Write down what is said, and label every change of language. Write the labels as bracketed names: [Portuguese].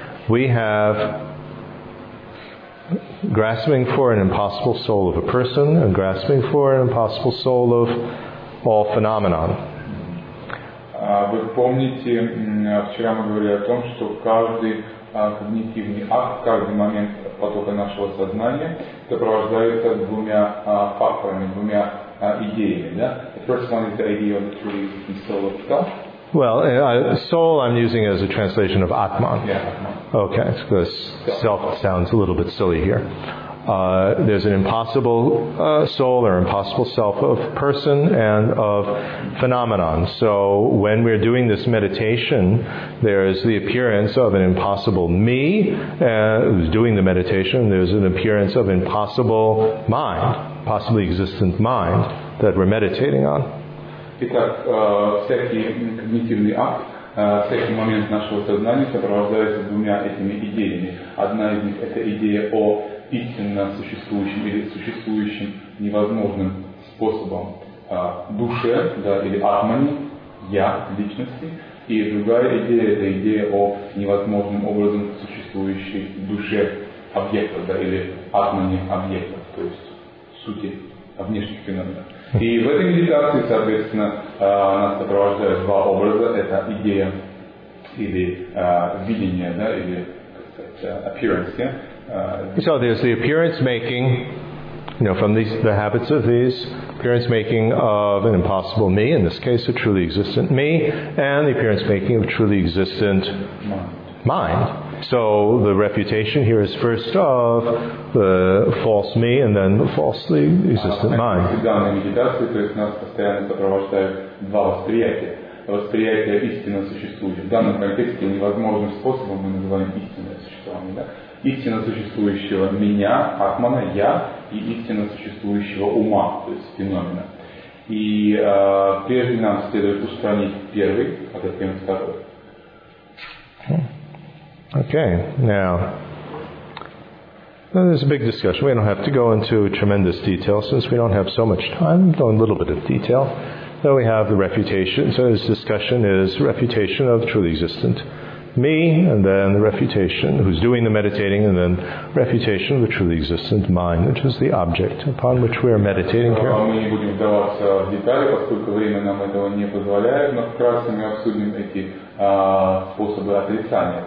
[English] We have grasping for an impossible soul of a person and grasping for an impossible soul of all phenomenon. [Russian] Вы помните, вчера мы говорили о том, что каждый когнитивный акт, каждый момент потока нашего сознания сопровождается двумя факторами, двумя идеями. Да? [English] The first one is the idea of the truly existing soul of self. Well, soul I'm using as a translation of Atman. Yeah, Atman. Okay, because self sounds a little bit silly here. There's an impossible soul or impossible self of person and of phenomenon. So when we're doing this meditation, there is the appearance of an impossible me who's doing the meditation. There's an appearance of impossible mind, possibly existent mind that we're meditating on. [Russian] Итак, всякий когнитивный акт, всякий момент нашего сознания сопровождается двумя этими идеями. Одна из них – это идея о истинно существующем или существующем невозможным способом душе, да, или атмане, я, личности. И другая идея – это идея о невозможным образом существующей душе объекта, да, или атмане объекта, то есть сути внешних феноменов. И в этой медитации, соответственно, нас сопровождают два образа. Это идея или видение, да, или, как сказать, appearance. [English] Yeah? So there's the appearance making, you know, from these, the habits of these, appearance making of an impossible me, in this case a truly existent me, and the appearance making of a truly existent mind. So the refutation here is first of the false me and then the falsely existent mind. [Russian] В данной медитации, то есть нас постоянно сопровождают два восприятия. Восприятие истинно существующее. В данном контексте невозможным способом мы называем истинное существование. Да? Истинно существующего меня, атмана, я, и истинно существующего ума, то есть феномена. И прежде нам следует устранить первый, а затем второй. [English] Okay, now, there's a big discussion. We don't have to go into tremendous detail since we don't have so much time. We'll go in a little bit of detail. Then we have the refutation. So this discussion is refutation of truly existent me, and then the refutation, who's doing the meditating, and then refutation of the truly existent mind, which is the object upon which we are meditating here. [Russian] Мы не будем вдаваться в детали, поскольку время нам этого не позволяет, но вкратце мы обсудим эти способы отрицания.